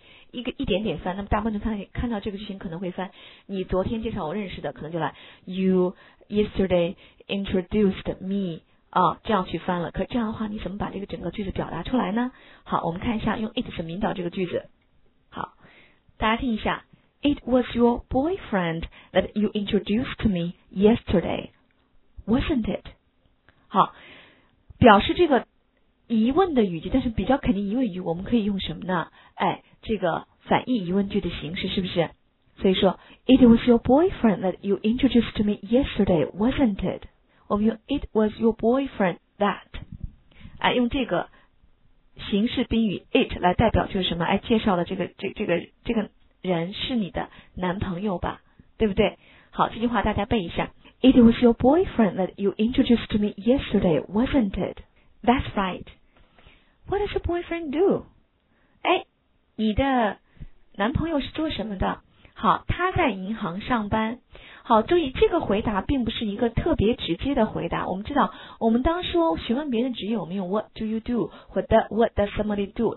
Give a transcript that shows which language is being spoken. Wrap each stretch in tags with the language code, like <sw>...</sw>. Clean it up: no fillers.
<zh>一点点翻，那么大部分看到这个句型可能会翻，你昨天介绍我认识的，可能就来</zh> <en>you yesterday introduced me</en> <zh>啊，这样去翻了。可这样的话，你怎么把这个整个句子表达出来呢？好，我们看一下用 it 怎么引导这个句子。好，大家听一下</zh> <en>，It was your boyfriend that you introduced to me yesterday, wasn't it？</en> <zh>好，表示这个疑问的语句，但是比较肯定疑问语，我们可以用什么呢？哎。这个反义疑问句的形式是不是？所以说</zh> <en>，It was your boyfriend that you introduced to me yesterday, wasn't it？</en> <zh>我们用</zh> <en>It was your boyfriend that，</en> <zh>哎，用这个形式宾语 it 来代表就是什么？哎，介绍的这个人是你的男朋友吧？对不对？好，这句话大家背一下</zh> <en>，It was your boyfriend that you introduced to me yesterday, wasn't it？ That's right. What does your boyfriend do？ 哎。</en> <zh>你的男朋友是做什么的？好，他在银行上班。好，注意这个回答并不是一个特别直接的回答。我们知道，我们当说询问别人职业，我们用</zh> <en>What do you do</en> <zh>或</zh> <en>What does somebody do？</en>